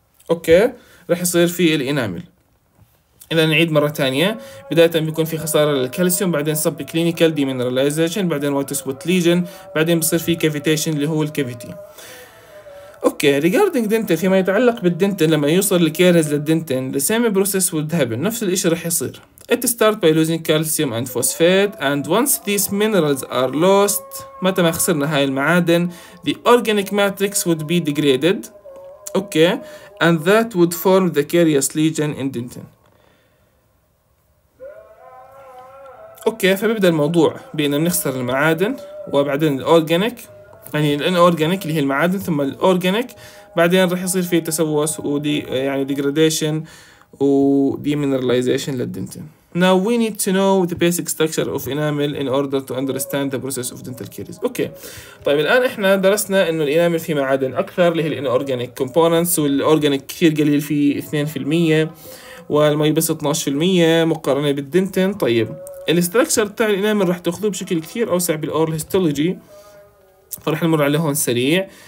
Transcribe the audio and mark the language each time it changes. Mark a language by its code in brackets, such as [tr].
[ar] اوكي راح يصير في الانامل. اذا نعيد مرة تانية، بداية بيكون في خسارة للكالسيوم، بعدين sub clinical demineralization، بعدين white spot lesion، بعدين بصير في cavitation اللي هو الكافيتي. اوكي [en] regarding dentin [ar] فيما يتعلق بالدنتن، لما يوصل الكاريز للدنتن [en] the same process would happen، [ar] نفس الاشي راح يصير. [en] It starts by losing calcium and phosphate and once these minerals are lost، [ar] متى ما خسرنا هاي المعادن [en] the organic matrix would be degraded. Okay and that would form the caries lesion in dentin. [ar] اوكي فبيبدا الموضوع بان بنخسر المعادن وبعدين الاورجانيك، يعني الانورجانيك اللي هي المعادن ثم الاورجانيك، بعدين راح يصير فيه تسوس ودي يعني ديجريديشن وديمينراليزيشن للدنتن. [en] Now we need to know the basic structure of enamel in order to understand the process of dental caries. [ar] اوكي طيب الان احنا درسنا انه الانامل فيه معادن اكثر اللي هي الانورجانيك كومبوننتس، والاورجانيك كثير قليل فيه 2% والمي بس 12% مقارنه بالدنتن. طيب الاستراكشر بتاع الانامل راح تاخذوه بشكل كثير اوسع بالاورال هيستولوجي، فرح نمر عليه هون سريع.